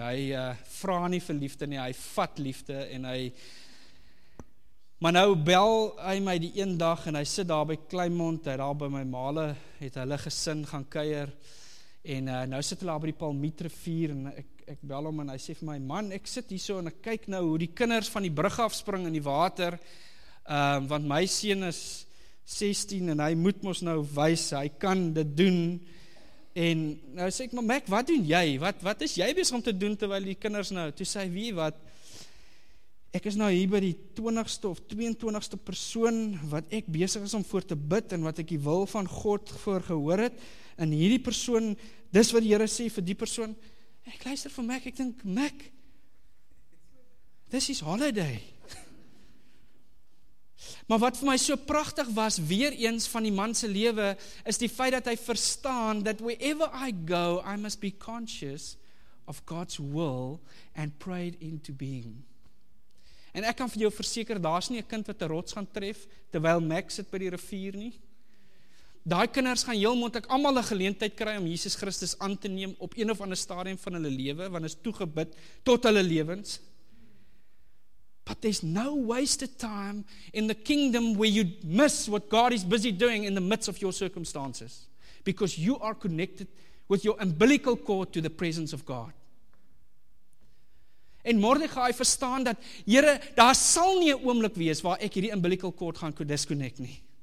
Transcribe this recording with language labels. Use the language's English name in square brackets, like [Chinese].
[Afrikaans] Hy vra nie vir liefde nie, hy vat liefde en hy, maar nou bel hy my die een dag en hy sit daar by Kleinmond, hy daar by my male, het hulle gesin gaan kuier en nou sit hulle daar by die Palmiet rivier en ek bel hom en hy sê vir my, man, ek sit hier so en ek kyk nou hoe die kinders van die brug afspring in die water, want my seun is 16 en hy moet mos nou wys, hy kan dit doen, En nou sê ek, maar Mac, wat doen jy? Wat is jy besig om te doen terwyl die kinders nou? Toe sê hy, weet wat, ek is nou hier by die 20ste of 22ste persoon wat ek besig is om voor te bid en wat ek die wil van God voor gehoor het. En hierdie persoon, dis wat die Here sê vir die persoon. Ek luister vir Mac, ek dink, Mac, [English] this is holiday. [Afrikaans] Maar wat vir my so prachtig was, weer eens van die manse lewe, is die feit dat hy verstaan, [English] that wherever I go, I must be conscious of God's will and prayed into being. [Afrikaans] En ek kan vir jou verseker, daar is nie een kind wat die rots gaan tref, terwyl Max sit by die rivier nie. Daai kinders gaan heel moontlik allemaal een geleentheid kry om Jesus Christus aan te neem op een of ander stadium van hulle lewe, want is toegebid tot hulle lewens. [English] But there's no wasted time in the kingdom where you miss what God is busy doing in the midst of your circumstances. Because you are connected with your umbilical cord to the presence of God. [Afrikaans] En Mordekai verstaan dat, Here, daar sal nie een oomblik wees waar ek hierdie umbilical cord gaan disconnect nie.